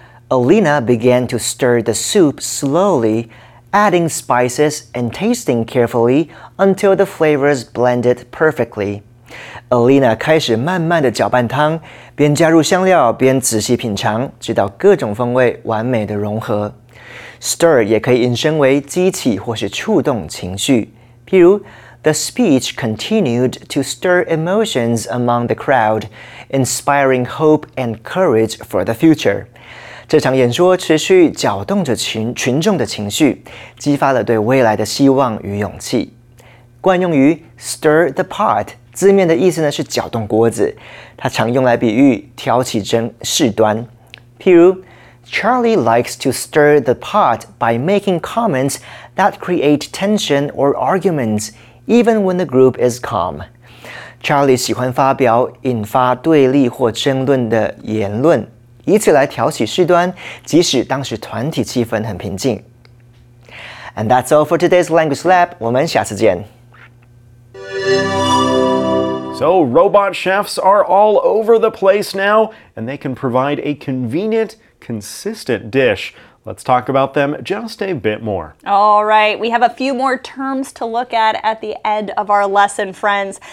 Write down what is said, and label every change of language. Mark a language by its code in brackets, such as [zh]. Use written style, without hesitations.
[en] Alina began to stir the soup slowly, adding spices and tasting carefully until the flavors blended perfectly. [zh] Alina 开始慢慢地搅拌汤，边加入香料边仔细品尝，直到各种风味完美地融合。 [en] Stir [zh] 也可以引申为激起或是触动情绪，譬如 [en] The speech continued to stir emotions among the crowd, inspiring hope and courage for the future. [zh] 这场演说持续搅动着群众的情绪，激发了对未来的希望与勇气。惯用于 stir the pot， 字面的意思呢是搅动锅子，它常用来比喻挑起事端。譬如 [en] ，Charlie likes to stir the pot by making comments that create tension or arguments, even when the group is calm。 [zh] Charlie 喜欢发表引发对立或争论的言论。以此来挑起事端，即使当时团体气氛很平静。 [en] And that's all for today's Language Lab. [zh] 我们下次见。 [en] So robot chefs are all over the place now, and they can provide a convenient, consistent dish. Let's talk about them just a bit more. All right, we have a few more terms to look at the end of our lesson, friends.